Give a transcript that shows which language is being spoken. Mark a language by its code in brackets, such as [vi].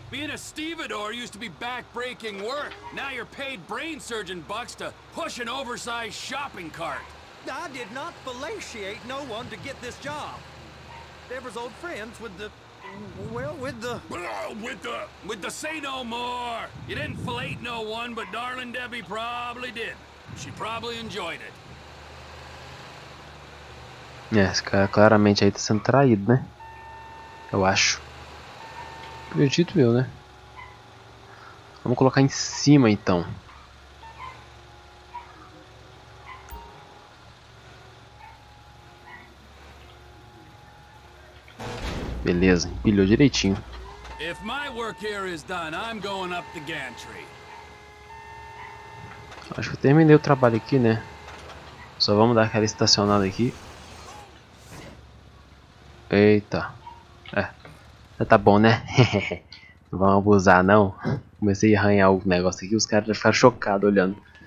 [en] Being a stevedore used to be back-breaking work. Now you're paid brain surgeon bucks to push an oversized shopping cart. I did not fellatiate no one to get this job. Deborah's old friends with the... Well, with the... With the say no more. You didn't fellate no one, but darling Debbie probably did. She probably enjoyed it. [pt] É, esse cara claramente aí tá sendo traído, né? Eu acho. Acredito eu, né? Vamos colocar em cima, então. Beleza, empilhou direitinho. [en] If my work here is done, I'm going up the gantry. [pt] Acho que eu terminei o trabalho aqui, né? Só vamos dar aquela estacionada aqui. Eita. É. Já tá bom, né? Não vamos abusar, não. Comecei a arranhar o negócio aqui. Os caras já ficaram chocados olhando.